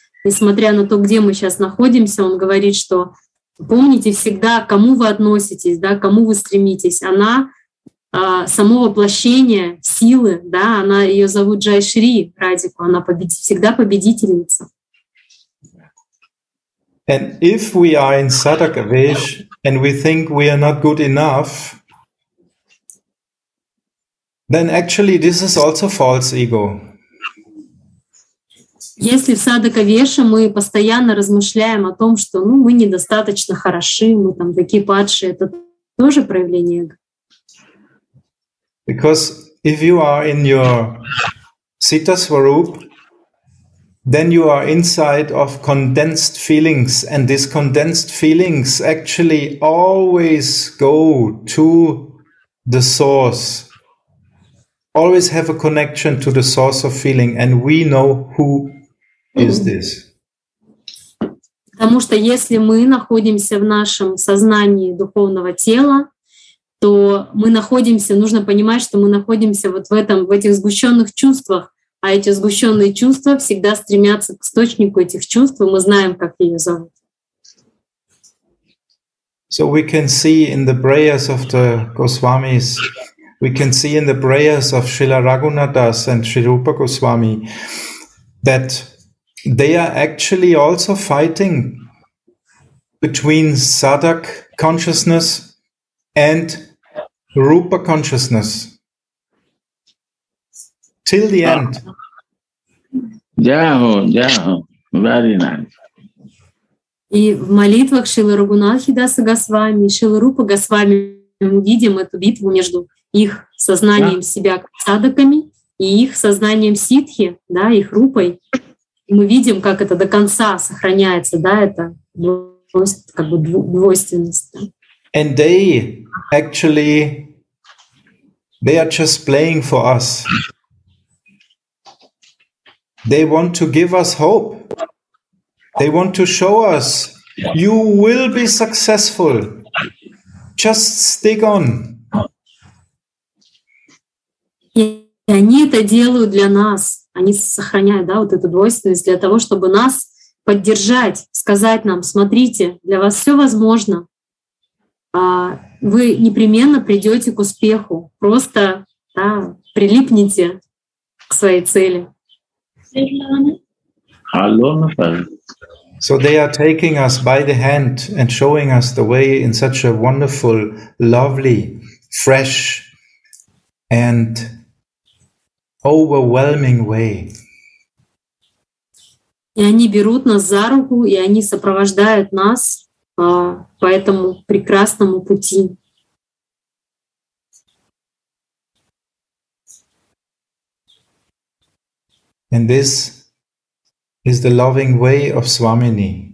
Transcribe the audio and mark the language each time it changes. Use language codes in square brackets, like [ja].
[ru] Несмотря на то, где мы сейчас находимся, он говорит, что помните всегда, к кому вы относитесь, да, к кому вы стремитесь. Она само воплощение силы, да, она ее зовут Джай Шри Радику, она всегда победительница. [en] And if we are in Sadakavesh and we think we are not good enough, then actually this is also false ego. [ru] Если в Садакавеше мы постоянно размышляем о том, что ну, мы недостаточно хороши, мы там такие падшие, это тоже проявление эго. [en] Because if you are in your Sita Swarup, then you are inside of condensed feelings, and these condensed feelings actually always go to the source. Always have a connection to the source of feeling, and we know who is this. [ru] Потому что если мы находимся в нашем сознании духовного тела, то мы находимся, нужно понимать, что мы находимся вот в этом, в этих сгущенных чувствах, а эти сгущенные чувства всегда стремятся к источнику этих чувств, и мы знаем, как ее зовут. [en] So we can see in the prayers of the Goswamis. We can see in the prayers of Srila Raghunathdas and Sri Rupa Goswami that they are actually also fighting between Sadak consciousness and Rupa consciousness till the end. Yeah, yeah, very nice. [ru] И в молитвах Шрила Рагунатхадаса Госвами, Шрила Рупа Госвами мы видим эту битву между их сознанием себя садаками и их сознанием ситхи, да, их рупой. И мы видим, как это до конца сохраняется, да, это как бы двойственность. [en] And they actually, they are just playing for us. They want to give us hope. They want to show us, you will be successful. Just stick on. [ru] И они это делают для нас, они сохраняют, да, вот эту двойственность для того, чтобы нас поддержать, сказать нам, смотрите, для вас все возможно, вы непременно придете к успеху, просто, да, прилипните к своей цели. [en] Hello. So they are taking us by the hand and showing us the way in such a wonderful, lovely, fresh and overwhelming way. [ru] И они берут нас за руку, и они сопровождают нас по этому прекрасному пути. [en] And this is the loving way of Swamini.